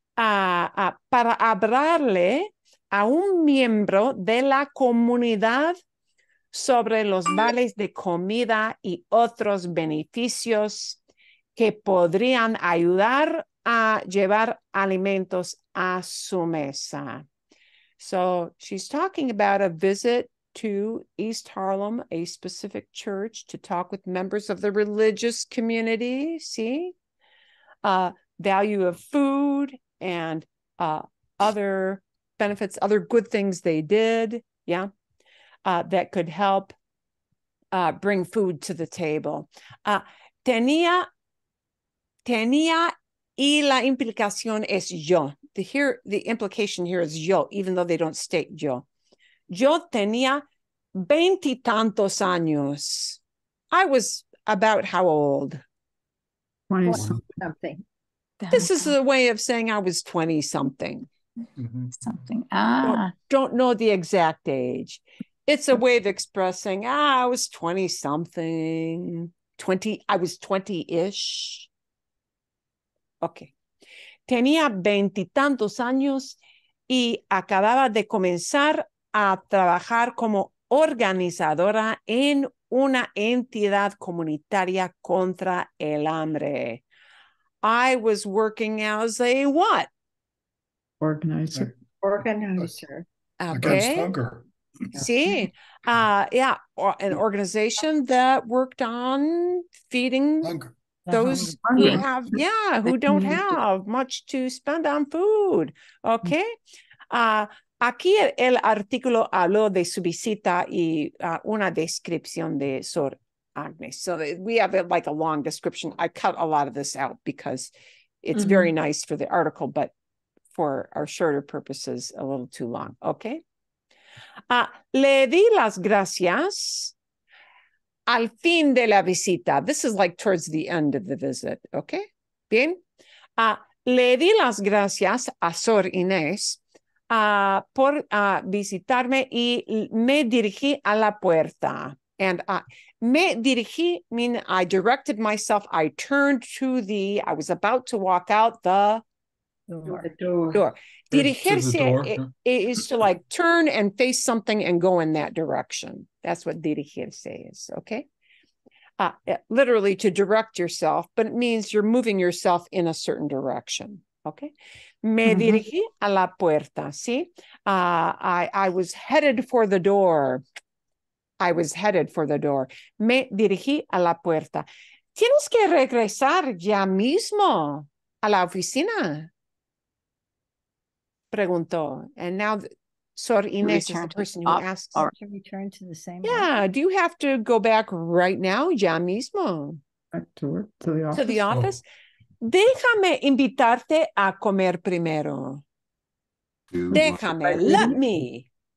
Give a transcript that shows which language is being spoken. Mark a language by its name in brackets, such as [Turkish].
[Spanish] Para hablarle a un miembro de la comunidad sobre los vales de comida y otros beneficios que podrían ayudar a llevar alimentos a su mesa. [English] So she's talking about a visit to East Harlem, a specific church, to talk with members of the religious community, see? Value of food and other benefits, other good things they did, yeah, that could help bring food to the table. [Spanish] Tenía y la implicación es yo. [English] The implication here is yo, even though they don't state yo. [Spanish] Yo tenía veintitantos años. [English] I was about how old? 20-something. This is a way of saying I was 20-something. Mm-hmm. Something. Ah. Don't know the exact age. It's a way of expressing, I was 20-something. I was 20-ish. Okay. [Spanish] Tenía 20-tantos años y acababa de comenzar a trabajar como organizadora en una entidad comunitaria contra el hambre. [English] I was working as a what? Organizer. Organizer. Okay. Against hunger. Yeah. An organization that worked on feeding hunger. Those who have, who don't have much to spend on food. Okay. [Spanish] Aquí el artículo habló de su visita y una descripción de Sor Agnes. [English] So we have a long description. I cut a lot of this out because it's mm-hmm. very nice for the article, but for our shorter purposes, a little too long. Okay. Le di las gracias al fin de la visita. This is like towards the end of the visit. [Spanish] Okay. Bien. Le di las gracias a Sor Inés por visitarme y me dirigí a la puerta. [English] And [Spanish] me dirigí, [English] mean I directed myself. I turned to the, I was about to walk out the door. Dirigirse is to turn and face something and go in that direction. That's what dirigirse is, okay? Literally to direct yourself, but it means you're moving yourself in a certain direction, okay? Me mm-hmm. [Spanish] dirigí a la puerta, ¿sí? [English] I was headed for the door. I was headed for the door. [Spanish] Me dirigí a la puerta. Tienes que regresar ya mismo a la oficina. Preguntó. [English] And now Sor Inés is the person who asks. To return to the same Do you have to go back right now, [Spanish] ya mismo? [English] Back to work, to the office. To the office? [Spanish] Déjame invitarte a comer primero. Déjame. [English] Let me.